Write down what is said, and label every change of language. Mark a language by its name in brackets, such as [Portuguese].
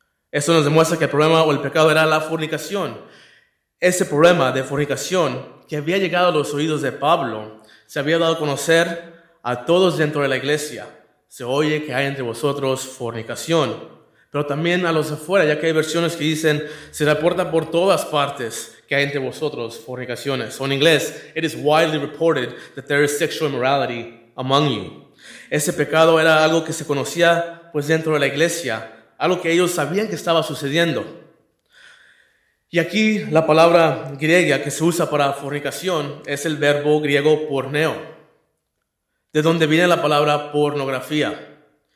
[Spanish] Eso nos demuestra que el problema o el pecado era la fornicación. Ese problema de fornicación que había llegado a los oídos de Pablo, se había dado a conocer a todos dentro de la iglesia. Se oye que hay entre vosotros fornicación. Pero también a los de afuera, ya que hay versiones que dicen, se reporta por todas partes que hay entre vosotros fornicaciones. [English] So [Spanish] en inglés, [English] it is widely reported that there is sexual immorality among you. [Spanish] Ese pecado era algo que se conocía pues dentro de la iglesia, algo que ellos sabían que estaba sucediendo. Y aquí la palabra griega que se usa para fornicación es el verbo griego porneo, de donde viene la palabra pornografía.